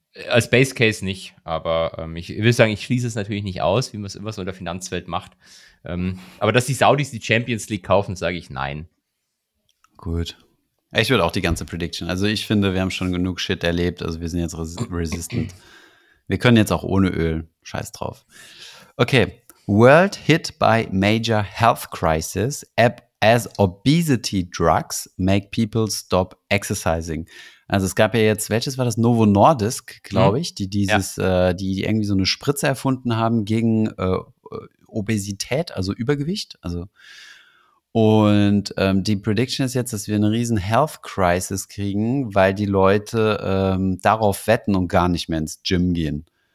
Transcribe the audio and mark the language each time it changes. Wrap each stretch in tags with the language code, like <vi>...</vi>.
<de>Als Base Case nicht, aber ich will sagen, ich schließe es natürlich nicht aus, wie man es immer so in der Finanzwelt macht. Aber dass die Saudis die Champions League kaufen, sage ich nein. Gut. Ich würde auch die ganze Prediction. Also ich finde, wir haben schon genug Shit erlebt. Also wir sind jetzt resistant. Wir können jetzt auch ohne Öl. Scheiß drauf. Okay.</de> <en>World hit by major health crisis as obesity drugs make people stop exercising.</en> <de>Also es gab ja jetzt, welches war das? Novo Nordisk, glaube ich, die dieses, die irgendwie so eine Spritze erfunden haben gegen Obesität, also Übergewicht. Also und die Prediction ist jetzt, dass wir eine riesen Health Crisis kriegen, weil die Leute darauf wetten und gar nicht mehr ins Gym gehen.</de>